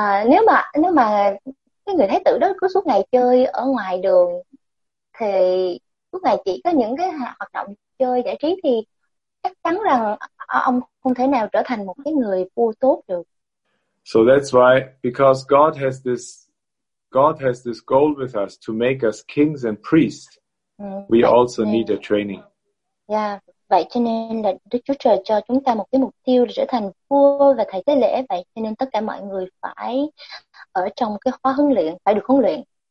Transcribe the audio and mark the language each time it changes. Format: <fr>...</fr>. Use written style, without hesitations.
<vi>Nếu mà cái người thái tử đó cứ suốt ngày chơi ở ngoài đường thì lúc này chỉ có những cái hoạt động chơi giải trí thì chắc chắn rằng ông không thể nào trở thành một cái người vua tốt được.</vi> <en>So that's why, because God has this goal with us to make us kings and priests, we also need a training.</en> <vi>Yeah, vậy cho nên là Đức Chúa Trời cho chúng ta một cái mục tiêu để trở thành vua và thầy tế lễ, vậy cho nên tất cả mọi người phải ở trong cái khóa huấn luyện, phải được huấn luyện.</vi>